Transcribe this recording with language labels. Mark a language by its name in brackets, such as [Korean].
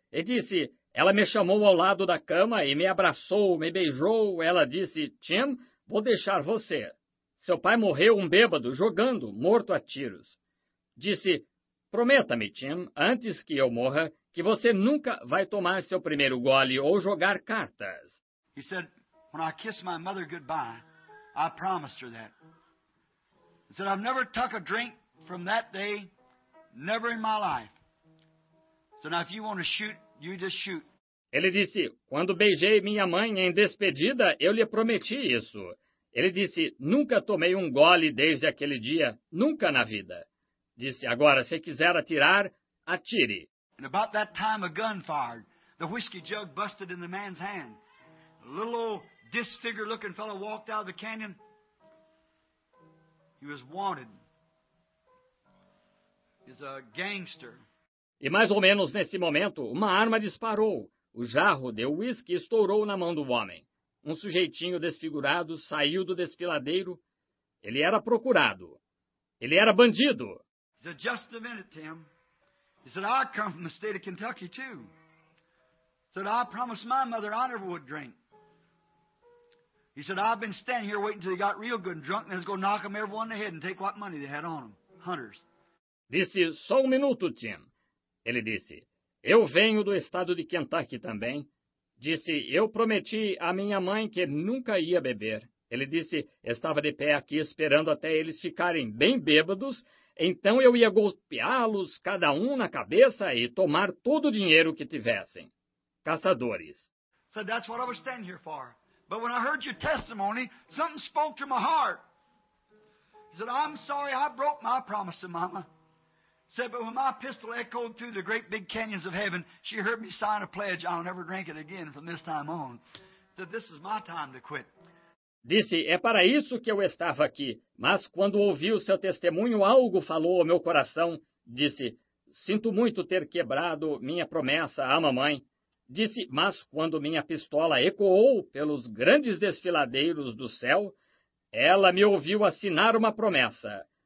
[Portuguese] E disse, ela me chamou ao lado da cama e me abraçou, me beijou. Ela disse, Tim, vou deixar você. Seu pai morreu um bêbado, jogando, morto a tiros. Disse, prometa-me, Tim, antes que eu morra, que você nunca vai tomar seu primeiro gole ou jogar cartas. [English] He said, when I kissed my mother goodbye, I promised her that. He said, I've never took a drink from that day, never in my life. So now if you want to shoot, you just shoot. [Portuguese] Ele disse, quando beijei minha mãe em despedida, eu lhe prometi isso. Ele disse, nunca tomei um gole desde aquele dia, nunca na vida. Disse, agora, se quiser atirar, atire. [English] And about that time a gun fired, the whiskey jug busted in the man's hand. A little old disfigured looking fellow walked out of the canyon. He was wanted. He's a gangster. [Portuguese] E mais ou menos nesse momento, uma arma disparou. O jarro de whisky estourou na mão do homem. Um sujeitinho desfigurado saiu do desfiladeiro. Ele era procurado. Ele era bandido. [English] He said, just a minute, Tim. He said, I come from the state of Kentucky, too. He said, I promised my mother I never would drink. He said, I've been standing here waiting until they got real good and drunk, and let's go knock them everyone in the head and take what money they had on them. Hunters. [Portuguese] Disse, só um minuto, Tim. Ele disse, eu venho do estado de Kentucky também. Disse, eu prometi à minha mãe que nunca ia beber. Ele disse, estava de pé aqui esperando até eles ficarem bem bêbados, então eu ia golpeá-los cada um na cabeça e tomar todo o dinheiro que tivessem. Caçadores. [English] So that's what I was standing here for. But when I heard your testimony, something spoke to my heart. He said, I'm sorry I broke my promise to Mama. He said, but when my pistol echoed through the great big canyons of heaven, she heard me sign a pledge I'll never drink it again from this time on. He said, this is my time to quit. [Portuguese] Disse, é para isso que eu estava aqui. Mas quando ouvi o seu testemunho, algo falou ao meu coração. Disse, sinto muito ter quebrado minha promessa à mamãe. Disse, mas quando minha pistola ecoou pelos grandes desfiladeiros do céu, ela me ouviu assinar uma promessa.